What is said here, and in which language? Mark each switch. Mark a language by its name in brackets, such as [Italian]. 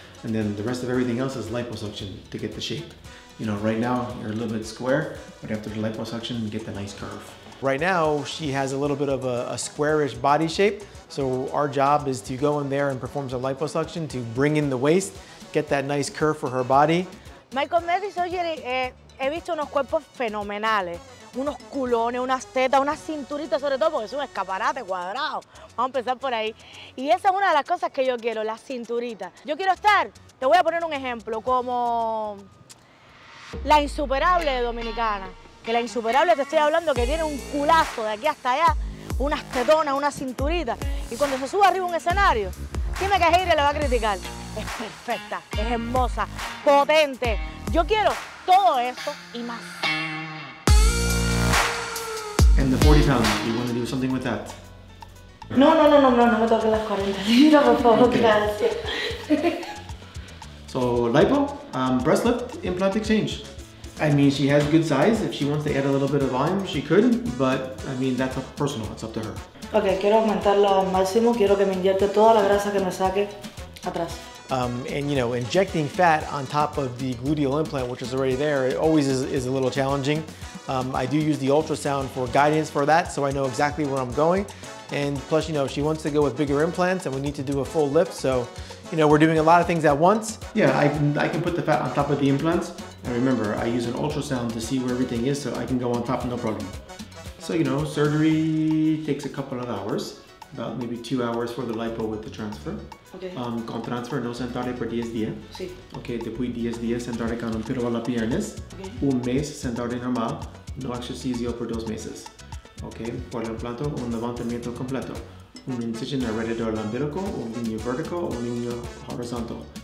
[English] And then the rest of everything else is liposuction to get the shape. You know, right now you're a little bit square, but after the liposuction, you get the nice curve. Right now, she has a little bit of a squarish body shape. So our job is to go in there and perform some liposuction to bring in the waist, get that nice curve for her body. [Spanish] Michael Matthews, oye, he visto unos cuerpos fenomenales. Unos culones, unas tetas, unas cinturitas sobre todo, porque es un escaparate cuadrado. Vamos a empezar por ahí. Y esa es una de las cosas que yo quiero, las cinturitas. Yo quiero estar, te voy a poner un ejemplo, como la insuperable dominicana. Que la insuperable, te estoy hablando, que tiene un culazo de aquí hasta allá, unas tetonas, una cinturita. Y cuando se sube arriba un escenario, dime que Heire le va a criticar. Es perfecta, es hermosa, potente. Yo quiero todo esto y más. [English] And the 40 pounds, you want to do something with that? [Spanish] No, me toque las 40 libras, por favor, okay. Gracias. [English] So, lipo, breast lift, implant exchange. I mean, she has good size. If she wants to add a little bit of volume, she could, but I mean, that's up personal. It's up to her. [Spanish] Okay, quiero aumentarlo al máximo. Quiero que me inyecte toda la grasa que me saque atrás. [English] And you know, injecting fat on top of the gluteal implant, which is already there, it always is a little challenging. I do use the ultrasound for guidance for that, so I know exactly where I'm going. And plus, you know, she wants to go with bigger implants and we need to do a full lift. So, you know, we're doing a lot of things at once. Yeah, I can put the fat on top of the implants. And remember, I use an ultrasound to see where everything is so I can go on top, no problem. So, you know, surgery takes a couple of hours. About maybe 2 hours for the lipo with the transfer. Okay. [Spanish] Con transfer no sentaré por 10 días. Sí. Okay, después 10 días sentaré con un piro a la piernas. Okay. Un mes sentaré normal, no exercicio por 2 meses. Okay, por el implanto, un levantamiento completo. Un incision alrededor del umbilical, un líneo vertical, un líneo horizontal.